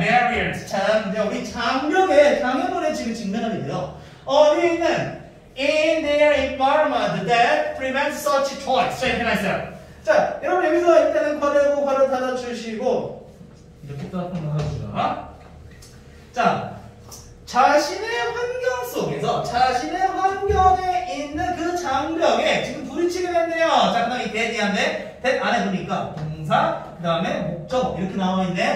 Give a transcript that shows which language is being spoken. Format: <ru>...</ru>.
<ko>Barriers 자 우리 장벽에 장애물에 지금 직면하게 돼요. 어디 있는?</ko> <en>In their environment that prevents such choice.</en> <ko>자, 이렇게 나왔어요. 자, 여러분, 여기서 일단은 과대고 과를 닫아주시고, 이렇게 따뜻한 말합니다. 자, 자신의 환경 속에서, 자신의 환경에 있는 그 장벽에 지금 부딪히게 됐네요. 자, 그 다음에 that이 안 돼. that 안에 보니까 동사, 그 다음에 목적, 이렇게 나와있네.</ko>